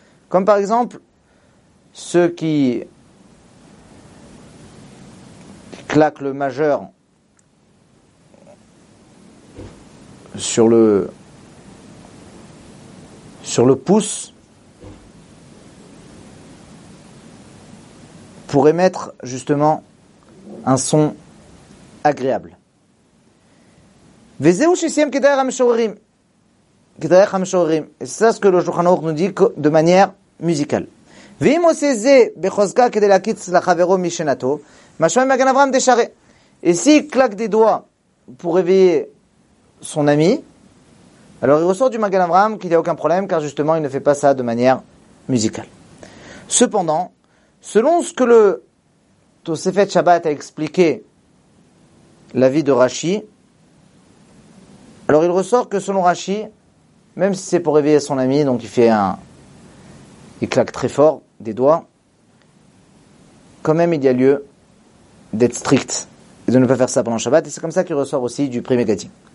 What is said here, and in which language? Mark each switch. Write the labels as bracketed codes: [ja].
[fr] Comme par exemple, ceux qui claquent le majeur sur le pouce pour émettre justement un son agréable. [he] וזהו שסיים כדרך המשוררים. כדרך המשוררים. [fr] C'est ce que le Shulchan Aruch nous dit de manière musicale. [he] ואם עושה זה בחוזקה כדי להקיץ לחברו משנתו, משמע מגן אברהם דשרי. [fr] Et s'il claque des doigts pour réveiller son ami, alors il ressort du Magan Avraham qu'il n'y a aucun problème, car justement il ne fait pas ça de manière musicale. Cependant, selon ce que le Tosefet Shabbat a expliqué l'avis de Rashi, alors il ressort que selon Rashi, même si c'est pour réveiller son ami, donc il claque très fort des doigts, quand même il y a lieu d'être strict et de ne pas faire ça pendant Shabbat, et c'est comme ça qu'il ressort aussi du Prime Gadim.